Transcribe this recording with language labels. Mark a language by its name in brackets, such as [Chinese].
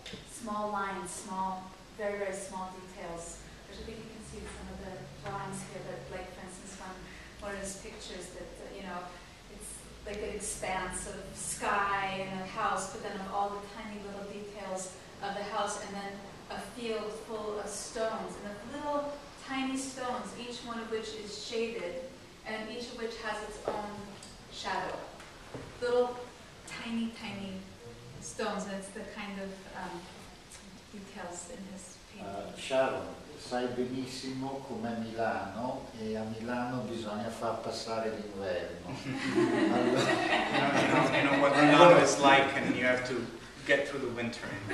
[English] small lines, very, very small details, which I think you can see some of the drawings here, but like for instance from one of those pictures that, you know, it's like an expanse of sky and a house, but then of all the tiny little details of the house, and then a field full of stones, and of little tiny stones, each one of which is shaded, and each of which has its own shadow. Little tiny, tiny stones, and it's the kind of details in his painting. [Italian] Sharon, sai benissimo com'è Milano e a Milano bisogna far passare l'inverno. [English] You know what Milano is like and you have to get through the winter.